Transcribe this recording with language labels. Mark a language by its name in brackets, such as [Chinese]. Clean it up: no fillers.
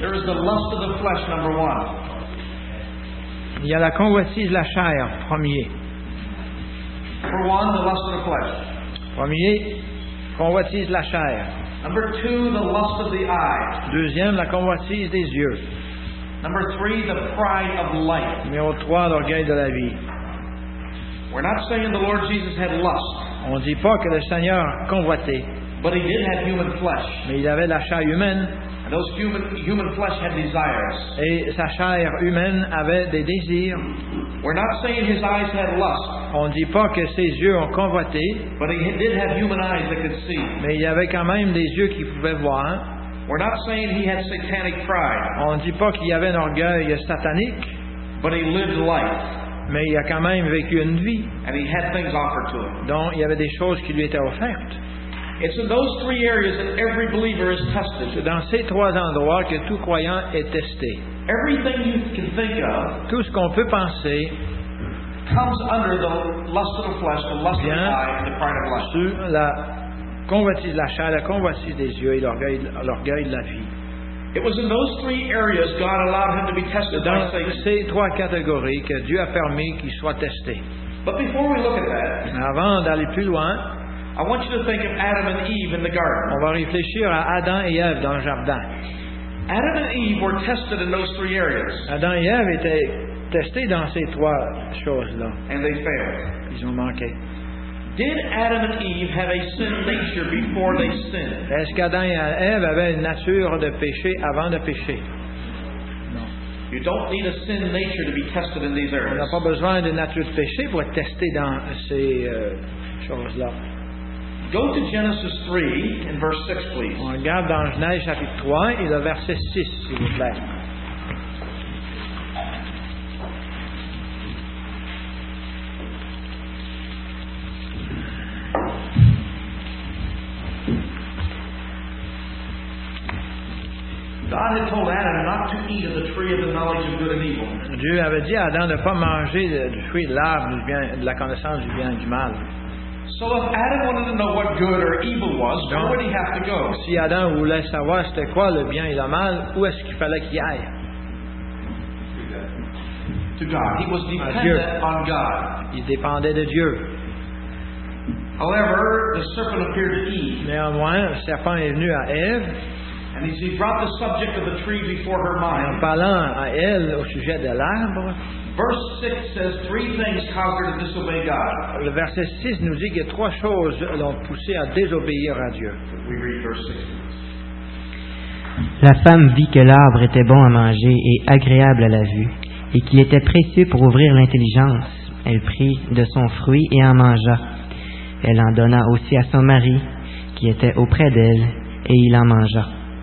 [English] There is the lust of the flesh, number one. [French] Il y a la convoitise de la chair, premier. [English] Number one, the lust of the flesh. [French] Premier, convoitise de la chair. [English] Number two, the lust of the eye. [French] Deuxième, la convoitise des yeux. [English] Number three, the pride of life. [French] Numéro trois, l'orgueil de la vie. [English] We're not saying the Lord Jesus had lust. [French] On dit pas que le Seigneur convoitait. [English] But he did have human flesh. [French] Mais il avait la chair humaine. [English] And those human flesh had desires. [French] Et sa chair humaine avait des désirs. [English] We're not saying his eyes had lust. [French] On dit pas que ses yeux ont convoité. [English] But he did have human eyes that could see. [French] Mais il avait quand même des yeux qui pouvaient voir. [English] We're not saying he had satanic pride. [French] On dit pas qu'il avait un orgueil satanique. [English] But he lived life. [French] Mais il a quand même vécu une vie. [English] And he had things offered to him. [French] Donc il y avait des choses qui lui étaient offertes. [English] It's in those three areas that every believer is tested. [French] C'est dans ces trois endroits que tout croyant est testé. [English] Everything you can think of, [French] tout ce qu'on peut penser, [English] comes under the lust of the flesh, the lust of the eye, and the pride of life. [French] Sur la convoitise de la chair, la convoitise des yeux et l'orgueil de la vie. [English] It was in those three areas God allowed him to be tested. [French] Dans ces trois catégories que Dieu a permis qu'il soit testé. [English] But before we look at that, [French] avant d'aller plus loin, [English] I want you to think of Adam and Eve in the garden. [French] On va réfléchir à Adam et Ève dans le jardin. [English] Adam and Eve were tested in those three areas. [French] Adam et Ève étaient testés dans ces trois choses-là. [English] And they failed. [French] Ils ont manqué. [English] Did Adam and Eve have a sin nature before they sinned? [French] Est-ce qu'Adam et Ève avaient une nature de péché avant de pécher? Non. [English] You don't need a sin nature to be tested in these areas. [French] On n'a pas besoin d'une nature de péché pour être testé dans ces choses-là. [English] Go to Genesis 3 and verse 6, please. [French] On regarde dans Genèse chapitre 3 et le verset 6, s'il vous plaît. [English] God had told Adam not to eat of the tree of the knowledge of good and evil. [French] Dieu avait dit à Adam de pas manger du fruit de l'arbre du bien, de la connaissance du bien et du mal. [English] So if Adam wanted to know what good or evil was, where would he have to go? [French] Si Adam voulait savoir c'était quoi le bien et le mal, où est-ce qu'il fallait qu'il aille? [English] To God. He was dependent on God. [French] Il dépendait de Dieu. [English] However, the serpent appeared to Eve. [French] Néanmoins, le serpent est venu à Ève. [English] And as he brought the subject of the tree before her mind. [French] En parlant à elle au sujet de l'arbre. [English] Verse 6 says three things caused her to disobey God. [French] Le verset 6 nous dit que trois choses l'ont poussée à désobéir à Dieu. [English] We read verse 6. [French] La femme vit que l'arbre était bon à manger et agréable à la vue, et qu'il était précieux pour ouvrir l'intelligence. Elle prit de son fruit et en mangea. Elle en donna aussi à son mari, qui était auprès d'elle, et il en mangea.